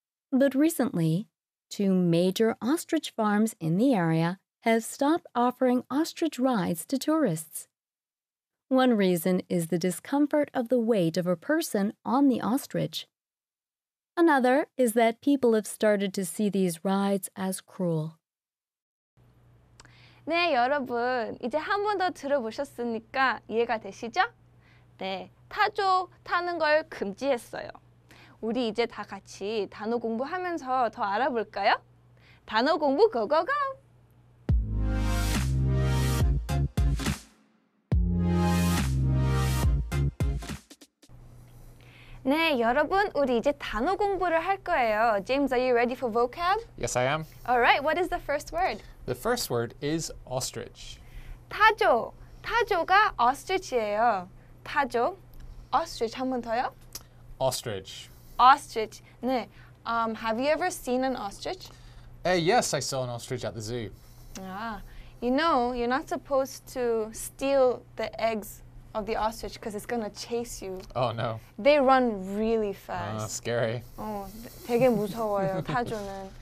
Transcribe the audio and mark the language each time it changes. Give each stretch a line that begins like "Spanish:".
English: But recently, two major ostrich farms in the area have stopped offering ostrich rides to tourists. One reason is the discomfort of the weight of a person on the ostrich. Another is that people have started to see these rides as cruel.
Korean: 네, 여러분. 이제 한 번 더 들어보셨으니까 이해가 되시죠? 네, 타조 타는 걸 금지했어요. 우리 이제 다 같이 단어 공부하면서 더 알아볼까요? 단어 공부 고고고! Ne, 여러분, 우리 이제 단어 공부를 할 거예요.
English: James, are you ready for vocab? Yes, I am. All right, what is the first word? The first word is ostrich.
Korean: 타조. 타조가 ostrich예요. 타조. Ostrich 한 번 더요?
English: Ostrich. Ostrich. 네. Have you ever seen an ostrich? Yes, I saw an ostrich at the zoo. Ah. You know, you're not supposed to steal the eggs of the ostrich because it's going to chase you. Oh, no. They run really fast. Scary.
Korean: Oh, 되게 무서워요, 타조는.